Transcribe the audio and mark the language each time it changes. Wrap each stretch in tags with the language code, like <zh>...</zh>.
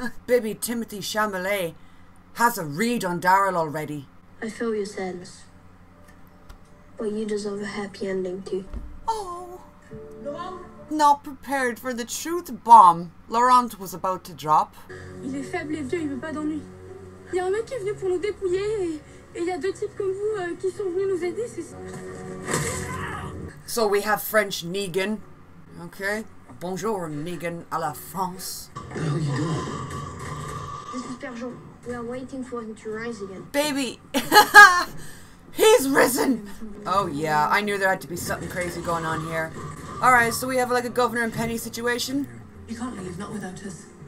<en>Baby Timothy Chalamet has a read on Daryl already. I feel your sadness. But you deserve a happy ending, too. Oh. Laurent? Not prepared for the truth bomb Laurent was about to drop.</en> <fr>Il est faible et vieux, il veut pas d'ennui. Il y a un mec qui est venu pour nous dépouiller et Et il y a deux types comme vous qui sont venus nous aider, c'est ça.</fr> <en>So we have French Negan. Okay.</en> <fr>Bonjour, Negan à la France.</fr> <en>What the hell are you doing? This is Pergeon. We are waiting for him to rise again. Baby! He's risen! Oh yeah, I knew there had to be something crazy going on here. Alright, so we have like a Governor and Penny situation. You can't leave, not without us.</en>